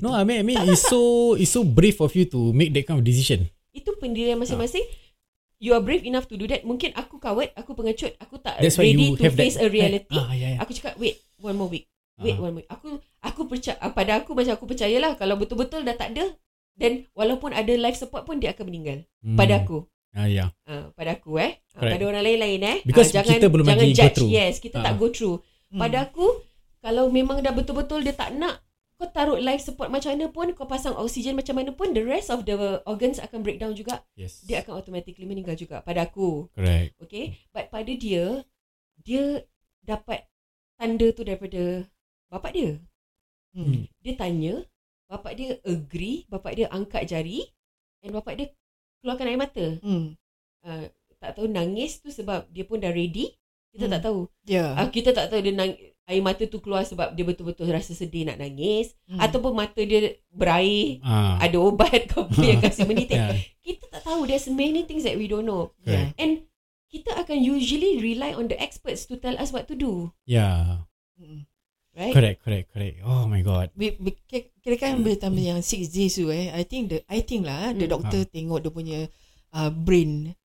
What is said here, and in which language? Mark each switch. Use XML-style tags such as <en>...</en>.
<en>No, I mean it's so brave of you to make that kind of decision.</en> <ms>Itu pendirian masing-masing.</ms> <en>You are brave enough to do that.</en> <ms>Mungkin aku coward, aku pengecut, aku tak</ms> <en>that's ready to face a reality. Yeah.</en> <ms>Aku cakap,</ms> <en>wait one more week.</en> <ms>Aku macam aku percayalah kalau betul-betul dah tak ada, then walaupun ada life support pun dia akan meninggal. Pada aku. Pada aku tak ada orang lain-lain</ms> <en>Because</en> <ms>jangan, kita belum jangan lagi</ms> <en>judge. Go through.</en> <ms>Yes, kita tak go through. Pada aku, kalau memang dah betul-betul dia tak nak, kau taruh life support macam mana pun, kau pasang oksigen macam mana pun,</ms> <en>the rest of the organs</en> <ms>akan breakdown juga.</ms> <en>Yes.</en> <ms>Dia akan automatically meninggal juga. Pada aku.</ms> <en>Correct. Okay. But</en> <ms>pada dia, dia dapat tanda tu daripada bapak dia. Dia tanya, bapak dia agree, bapak dia angkat jari and bapak dia keluarkan air mata. Tak tahu nangis tu sebab dia pun dah ready. Kita tak tahu.</ms> <en>Yeah.</en> <ms>Kita tak tahu dia nangis. Air mata tu keluar sebab dia betul-betul rasa sedih nak nangis. Ataupun mata dia berair. Ada ubat kau punya kasih menitik. Kita tak tahu.</ms> <en>There's many things that we don't know. Yeah. And</en> <ms>kita akan</ms> <en>usually rely on the experts to tell us what to do. Yeah. Right? Correct. Oh my god.</en> <ms>Kira kan bertambah yang 6 days tu</ms> <en>I think</en> <ms>lah</ms> <en>the doctor</en> <ms>tengok dia punya brain.</ms>